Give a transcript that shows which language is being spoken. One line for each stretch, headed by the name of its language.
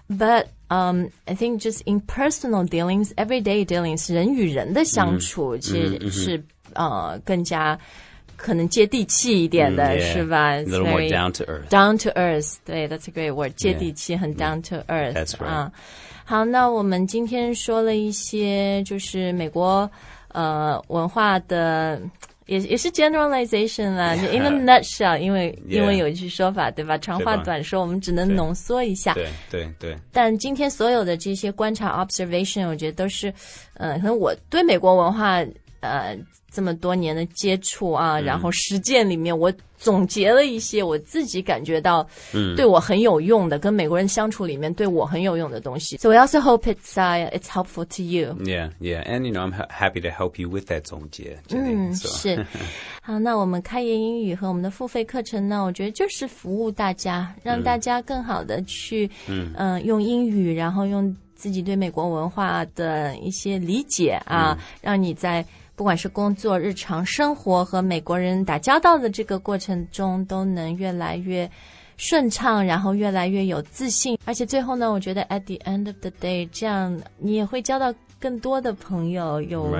English: but I think just in personal dealings everyday dealings
Chinese: 人与人的相处、 mm-hmm. 其实是、更加可能接地气一点的、 mm-hmm. 是吧
English: a little more down to earth 对 that's a great word 接地气、 yeah. 很 down to earth that's right、
Chinese: 好那我们今天说了一些就是美国文化的也是 generalization 啦、 yeah.
English: in a nutshell 因为、 yeah.
Chinese: 因为有一句说法对吧长话短说我们只能浓缩一下对对 对, 对但今天所有的这些观察 observation 我觉得都是可能我对美国文化这么多年的接触啊、嗯、然后实践里面我总结了一些我自己感觉到对我很有用的、嗯、跟美国人相处里面对我很有用的东西
English: So I also hope it's helpful to you Yeah, yeah And you know, I'm happy to help you with that 总结 Jenny,
Chinese: 是好那我们开言英语和我们的付费课程呢我觉得就是服务大家让大家更好的去用英语然后用自己对美国文化的一些理解啊、让你在不管是工作日常生活和美国人打交道的这个过程中都能越来越顺畅然后越来越有自信而且最后呢我觉得
English: at the end of the day
Chinese: 这样你也会交到更多的朋友有、